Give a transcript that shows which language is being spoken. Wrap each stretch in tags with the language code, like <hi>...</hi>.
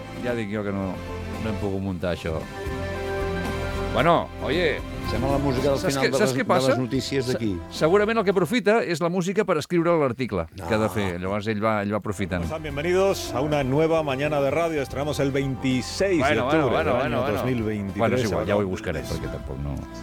<ca>Ja dic jo que no hem pogut muntar això.</ca> <es>Bueno, oye...</es> <ca>Sembla la música del final de les notícies d'aquí. Segurament el que aprofita és la música per escriure l'article que ha de fer. Llavors ell va aprofitant.</ca> <es>Pues bienvenidos a una nueva mañana de radio. Estrenamos el 26 de octubre del 2023.</es> <ca>Bueno, és igual, ja ho hi buscaré, perquè tampoc no...</ca>